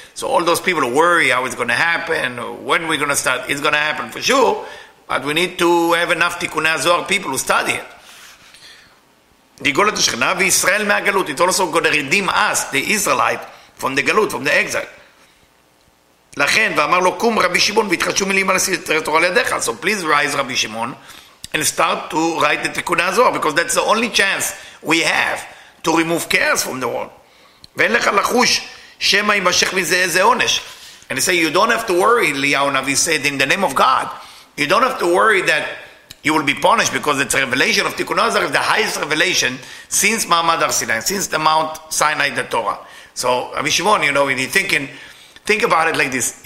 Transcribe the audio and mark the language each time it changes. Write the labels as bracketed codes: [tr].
[en] So all those people worry how it's going to happen, when we're going to start. It's going to happen for sure, but we need to have enough Tikkunei Zohar people who study it. The [he] Golat HaShekhinah v'Yisrael me'agalut. [en] It's also going to redeem us, the Israelite, from the Galut, from the exile. [he] לכן, ואמר לו, קום רבי שמעון, והתחדשו מילים על הסתרי תורה לידיך. [en] So please rise, רבי שמעון, and start to write the תיקוני הזוהר, because that's the only chance we have to remove chaos from the world. [he] ואין לך לחוש, שמה יימשך מזה איזה עונש. [en] And he said, you don't have to worry, Eliyahu Navi said, in the name of God, you don't have to worry that you will be punished, because it's a revelation of תיקוני הזוהר, the highest revelation since Mahamad Har Sinai, since the Mount Sinai, the Torah. So רבי שמעון, you know, he's thinking, think about it like this.